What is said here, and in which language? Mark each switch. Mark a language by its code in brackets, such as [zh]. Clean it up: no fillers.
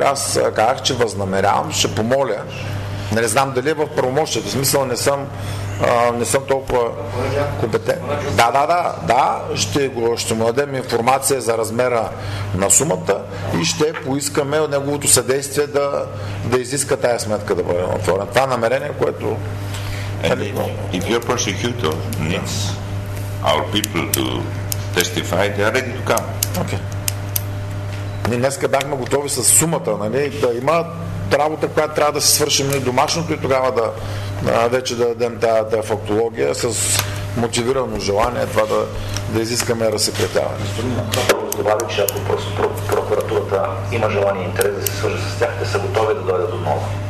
[bg] Аз казах, че възнамерявам, ще помоля. Не знам дали е в правомощието, в смисъл не съм толкова компетент. Да, ще му дадем информация за размера на сумата и ще поискаме от неговото съдействие да изиска тая сметка да бъде отворена. Това намерение, което... [en] If your prosecutor needs our people to testify, they are ready to come. Okay. [bg] Ние днеска бяхме готови с сумата, нали, да има работа, която трябва да се свършим и домашното и тогава вече да дадем тая фактология с мотивирано желание това да изискаме разсекретяване. Господин, добавя, че ако прокуратурата има желание и интерес да се свържа с тях, те са готови да дойдат отново.